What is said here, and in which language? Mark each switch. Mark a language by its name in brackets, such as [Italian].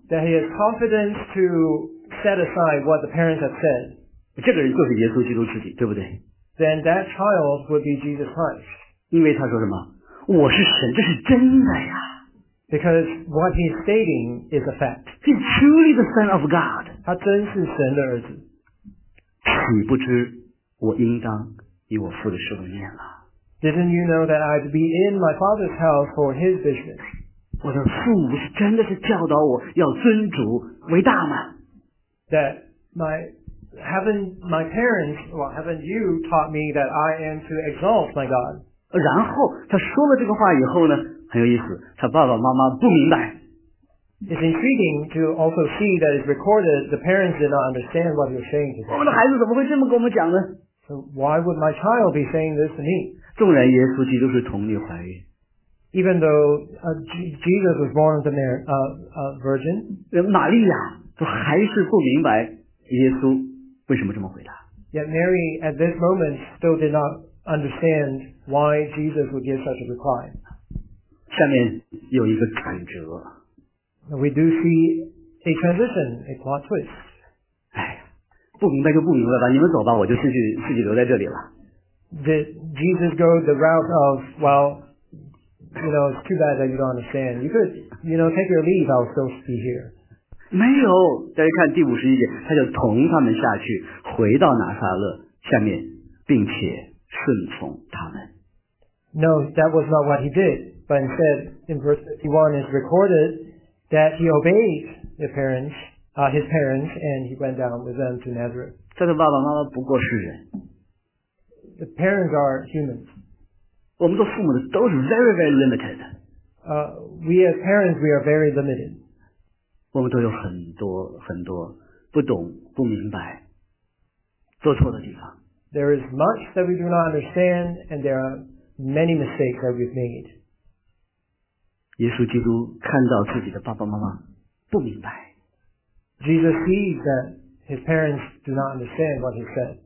[English] That he has confidence to set aside what the parents have said. [Chinese] 这个人就是耶稣基督自己，对不对？ [English] Then that child would be Jesus Christ. [Chinese] 因为他说什么？我是神，这是真的呀。 [English] Because what he's stating is a fact. He's truly the son of God. [Chinese] 他真是神的儿子。岂不知我应当以我父的事奉念了。 [English] Didn't you know that I'd be in my father's house for his business? [Chinese] 我的父母是真的是教导我要尊主为大吗？ [English] That haven't you taught me that I am to exalt my God? [Chinese] 然后他说了这个话以后呢，很有意思，他爸爸妈妈不明白。 [English] It's intriguing to also see that it's recorded the parents did not understand what you're saying to them. [Chinese] 我们的孩子怎么会这么跟我们讲呢？ [English] So why would my child be saying this to me? [Chinese] 纵然耶稣基督是童女怀孕 [English] ，Even though Jesus was born of the Mary, virgin， [Chinese] 玛利亚都还是不明白耶稣为什么这么回答。 [English] Yet Mary at this moment still did not understand why Jesus would give such a reply。 [Chinese] 下面有一个转折。 [English] We do see a transition, a plot twist。 [Chinese] 哎，不明白就不明白吧，你们走吧，我就自己留在这里了。 [English] Did Jesus go the route of, well, you know, it's too bad that you don't understand. You could, you know, take your leave, I'll still be here. [Chinese] 没有，大家看第五十一节，他就同他们下去，回到拿撒勒下面，并且顺从他们。 [English] No, that was not what he did, but instead, in verse 51 is recorded that he obeyed his parents, and he went down with them to Nazareth. [Chinese] 他的爸爸妈妈不过是人。 [English] The parents are humans. [Chinese] 我们做父母的都是 [English] very very limited. We as parents, we are very limited. [Chinese] 我们都有很多很多不懂不明白做错的地方。 [English] There is much that we do not understand, and there are many mistakes that we've made. [Chinese] 耶稣基督看到自己的爸爸妈妈不明白。 [English] Jesus sees that his parents do not understand what he said.